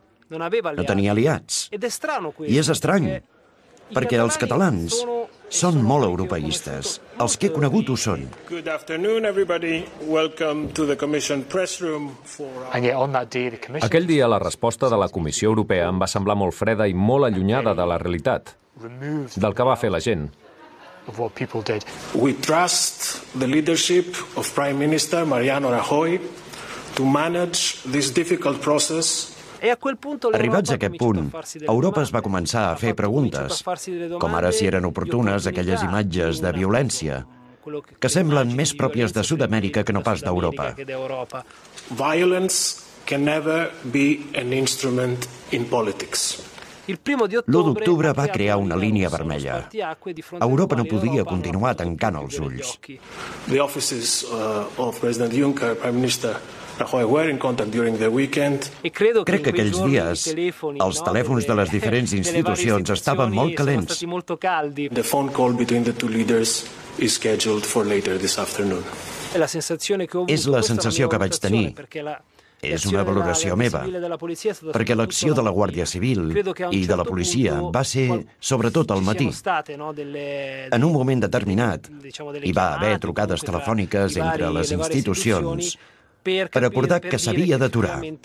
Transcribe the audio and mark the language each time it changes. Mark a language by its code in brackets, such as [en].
[ca] No tenir aliats. I és estrany, perquè els catalans són molt europeistes. Els que he conegut ho són. Aquell dia la resposta de la Comissió Europea em va semblar molt freda i molt allunyada de la realitat, del que va fer la gent. [en] We trust the leadership of Prime Minister Mariano Rajoy to manage this difficult process. [ca] Arribats a aquest punt, Europa es va començar a fer preguntes, com ara si eren oportunes aquelles imatges de violència, que semblen més pròpies de Sud-amèrica que no pas d'Europa. [en] Violence can never be an instrument in politics. [ca] L'1 d'octubre va crear una línia vermella. Europa no podia continuar tancant els ulls. [en] The offices of President Juncker, Prime Minister Rajoy were in contact during the weekend. [ca] Crec que aquells dies els telèfons de les diferents institucions estaven molt calents. [en] The phone call between the two leaders is scheduled for later this afternoon. [ca] És la sensació que vaig tenir. És una valoració meva, perquè l'acció de la Guàrdia Civil i de la policia va ser, sobretot, al matí. En un moment determinat, hi va haver trucades telefòniques entre les institucions per acordar que s'havia d'aturar.